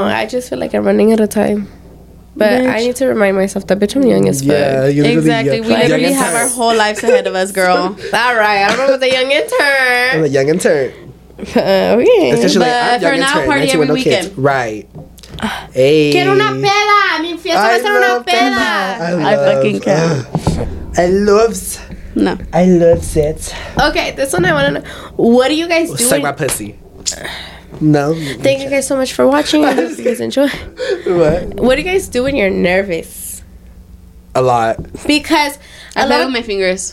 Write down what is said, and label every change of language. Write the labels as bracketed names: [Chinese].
[English] I just feel like I'm running out of time. But I need to remind myself that bitch, I'm young as fuck. Yeah, you're exactly. We literally have our whole lives ahead of us, girl. All right. I don't know about the young intern. I'm the young intern. But for now, party every weekend. Right. [Spanish] Hey. Quiero una peda. Mi fiesta va a ser una peda. [English] I fucking can. I love it. Okay, this one I want to know. What do you guys do? Suck my pussy. No. Thank you guys so much for watching. I hope you guys enjoy. What do you guys do when you're nervous? A lot. Because I love my fingers.